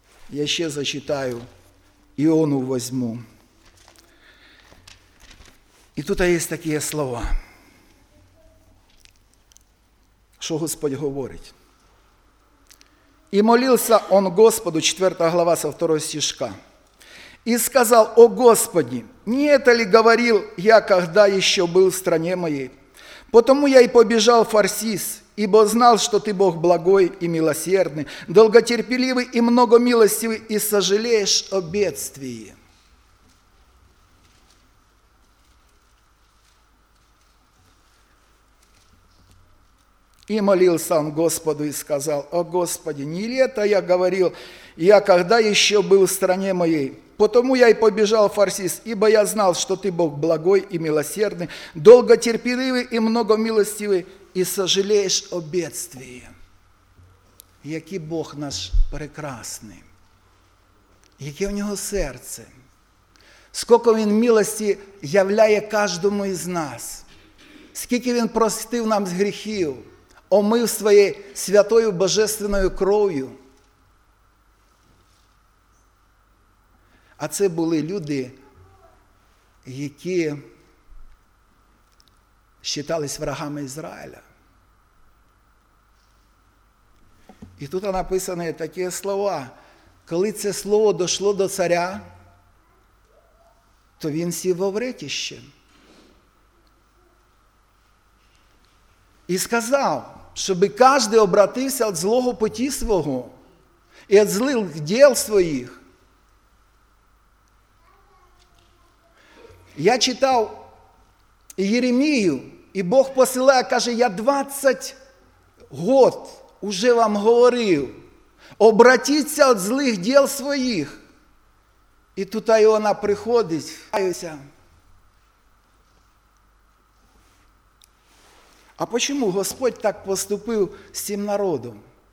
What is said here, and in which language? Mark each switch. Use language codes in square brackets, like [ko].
[uk] Я ще зачитаю, Іону візьму. І тут є такі слова, що Господь говорить. «І молився [ru] он Господу», 4 глава со 2 стишка, «и сказал, о Господи, не это ли говорил я, когда еще был в стране моей? Потому я и побежал в Фарсис, ибо знал, что ты Бог благой и милосердный, долготерпеливый и многомилостивый, и сожалеешь о бедствии». И молился он Господу и сказал, о Господи, не лето я говорил, я когда еще был в стране моей, потому я и побежал в Фарсис, ибо я знал, что ты Бог благой и милосердный, долготерпеливый и многомилостивый, и сожалеешь о бедствии. [uk] Який Бог наш прекрасный, яке у него сердце, [ru] сколько он милости [uk] являє каждому из нас, скільки он простив нам з грехів, омив своєю святою божественною кров'ю. А це були люди, які вважались врагами Ізраїля. І тут написано такі слова. Коли це слово дійшло до царя, то він сів во вретище. І сказав, щоб кожен обратився від злого путі свого і від злих діл своїх. Я читав Єремію, і Бог посилає, каже, я 20 років [ru] уже вам говорил, [uk] обратіться [ru] от злых дел своих. И тут Иона приходит, а почему Господь так поступил с тем народом?